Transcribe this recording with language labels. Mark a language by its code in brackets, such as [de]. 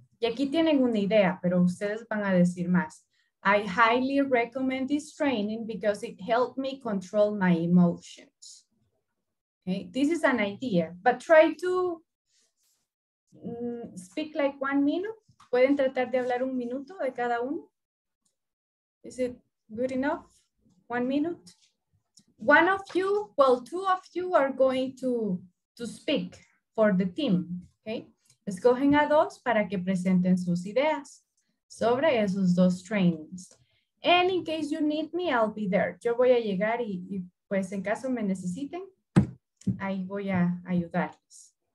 [es] Y aquí tienen una idea, pero ustedes van a decir más. [en] I highly recommend this training because it helped me control my emotions. Okay, this is an idea, but try to speak like 1 minute. [es] ¿Pueden tratar de hablar un minuto de cada uno? [en] Is it good enough? 1 minute? One of you, well, two of you are going to speak for the team. [es] Okay, escogen a dos para que presenten sus ideas sobre esos dos trainings. [en] And in case you need me, I'll be there. [es] Yo voy a llegar y pues en caso me necesiten, ahí voy a ayudarles.